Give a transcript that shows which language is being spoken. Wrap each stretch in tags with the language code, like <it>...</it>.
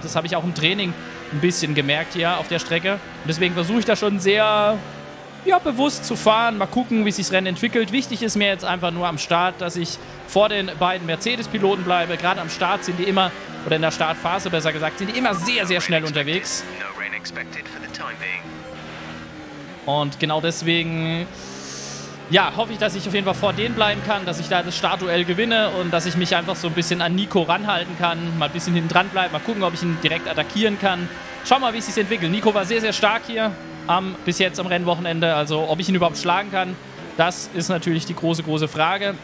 <de>Das habe ich auch im Training ein bisschen gemerkt hier auf der Strecke. Und deswegen versuche ich da schon sehr, ja, bewusst zu fahren. Mal gucken, wie sich das Rennen entwickelt. Wichtig ist mir jetzt einfach nur am Start, dass ich vor den beiden Mercedes-Piloten bleibe. Gerade am Start sind die immer, oder in der Startphase besser gesagt, sind die immer sehr, sehr schnell unterwegs.</de> <en>No rain expected for the time being.</en> <de>Und genau deswegen, ja, hoffe ich, dass ich auf jeden Fall vor denen bleiben kann, dass ich da das Startduell gewinne und dass ich mich einfach so ein bisschen an Nico ranhalten kann, mal ein bisschen hinten dran bleiben, mal gucken, ob ich ihn direkt attackieren kann. Schau mal, wie es sich entwickelt. Nico war sehr, sehr stark hier bis jetzt am Rennwochenende, also ob ich ihn überhaupt schlagen kann, das ist natürlich die große, große Frage.</de>